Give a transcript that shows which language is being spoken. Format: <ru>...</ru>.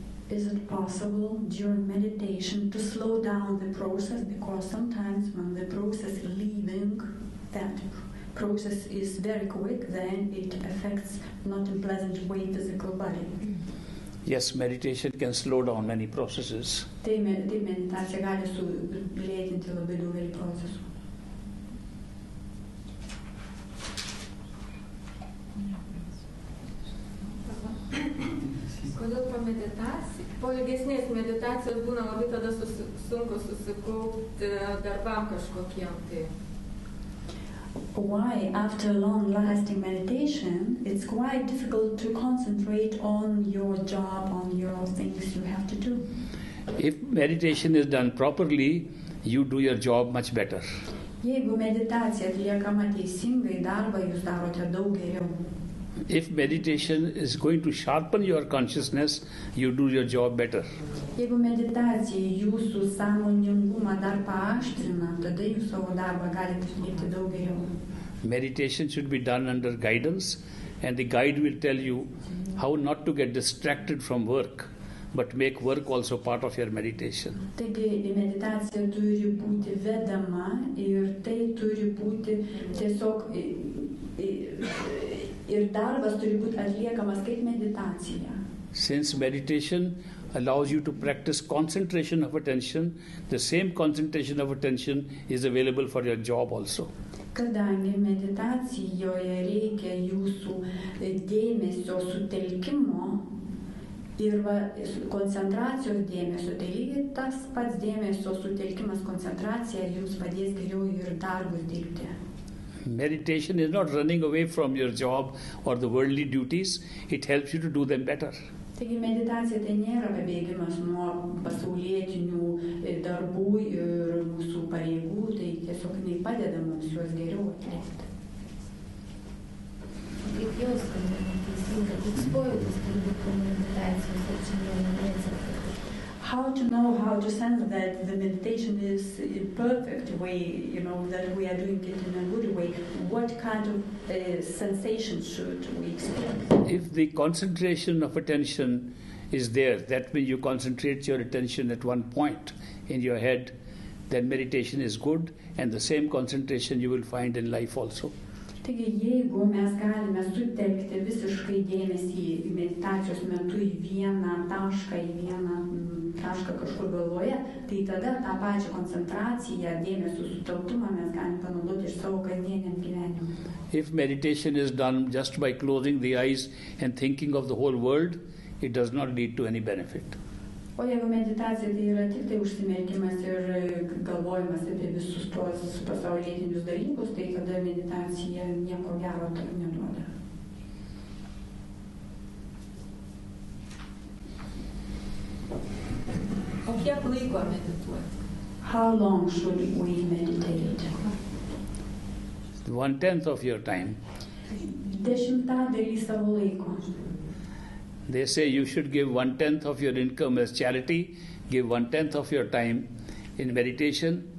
<en>Is it possible during meditation to slow down the process? Because sometimes when the process is leaving, that process is very quick, then it affects not in pleasant way physical body. Yes, meditation can slow down many processes.</en> <lt>Taip, meditacija gali sulėtinti labai daugelį procesų. Kodėl po ilgesnės meditacijos būna labai tada sunku susikaupti darbam kažkokiem tai?</lt> <en>Why after long-lasting meditation it's quite difficult to concentrate on your job, on your things you have to do? If meditation is done properly, you do your job much better.</en> <lt>Jeigu meditacija atliekama teisingai, darbą jūs darote daug geriau.</lt> <en>If meditation is going to sharpen your consciousness, you do your job better.</en> <lt>Jeigu meditacija jūsų sąmoningumą dar paaštrina, tada jūs savo darbą galite atlikti daug geriau.</lt> <en>Meditation should be done under guidance, and the guide will tell you how not to get distracted from work, but make work also part of your meditation.</en> <lt>Taigi, meditacija turi būti vedama, ir tai turi būti tiesiog... Ir darbas turi būti atliekamas kaip meditacija.</lt> <en>Since meditation allows you to practice concentration of attention, the same concentration of attention is available for your job also.</en> <lt>Kadangi meditacijoje reikia jūsų dėmesio sutelkimo ir koncentracijos dėmesio, tai tas pats dėmesio sutelkimas koncentracija jums padės geriau ir darbus dirbti.</lt> <en>Meditation is not running away from your job or the worldly duties. It helps you to do them better.</en> <lt>Taigi meditacija tai nėra pabėgimas nuo pasaulietinių darbų ir mūsų pareigų, tai tiesiog nei padeda mums juos geriau atlikti. Kaip jūs, kad teisinga, koks pojūtis meditacijos?</lt> <en>How to know how to sense that the meditation is in perfect way, you know, that we are doing it in a good way? What kind of sensations should we experience? If the concentration of attention is there, that means you concentrate your attention at one point in your head, then meditation is good, and the same concentration you will find in life also.</en> <lt>Taigi, jeigu mes galime sutelkti visiškai dėmesį meditacijos metu į vieną tašką, kažkur galvoje, tai tada tą pačią koncentraciją, dėmesio sutelktumą mes galime panaudoti iš savo kasdieniam gyvenimui.</lt> <en>If meditation is done just by closing the eyes and thinking of the whole world, it does not lead to any benefit.</en> <lt>O jeigu meditacija tai yra tik tai užsimerkimas ir galvojimas apie visus tuos pasaulietinius dalykus, tai tada meditacija nieko gero to neduoda. O kiek laiko medituoti?</lt> <en>How long should we meditate? One tenth of your time.</en> <lt>Dešimtadalį savo laiko.</lt> <en>They say you should give one tenth of your income as charity, give one tenth of your time in meditation.</en>